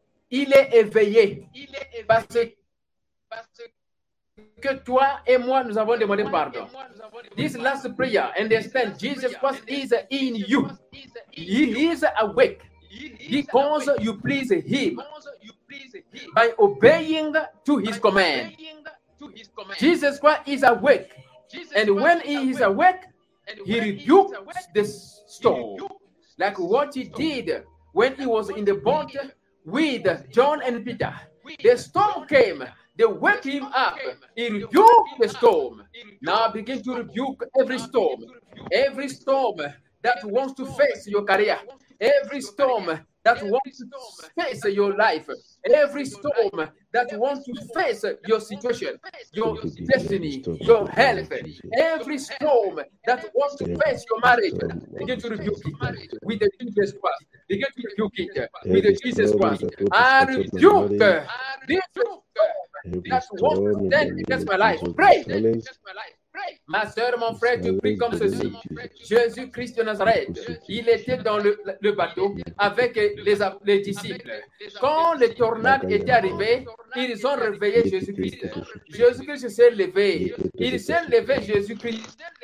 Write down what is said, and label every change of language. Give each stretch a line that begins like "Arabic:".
French: Il est éveillé. Parce que toi et moi, nous avons demandé pardon.
English: This last prayer, understand, Jesus Christ is in you. He is awake. Because you please him. By obeying to his command. Jesus Christ is awake. And when he is awake, he rebukes the storm. like what he did when he was in the boat with John and Peter. The storm came. They wake him up. He rebuked the storm. Now begin to rebuke every storm. Every storm that wants to face your career. Every storm that wants to face your life. Every storm that wants to face your situation, your destiny, your health. Every storm that wants to face your marriage. Begin to rebuke it with the Jesus Christ. Begin to rebuke it with the Jesus Christ. I rebuke this storm. That's what then against my life. Pray.
French: Ma soeur, mon frère, tu pries comme ceci. Jésus-Christ de Nazareth, il était dans le bateau avec les disciples. Quand les tornades étaient arrivées, ils ont réveillé Jésus-Christ. Jésus-Christ s'est levé. Il s'est levé Jésus-Christ.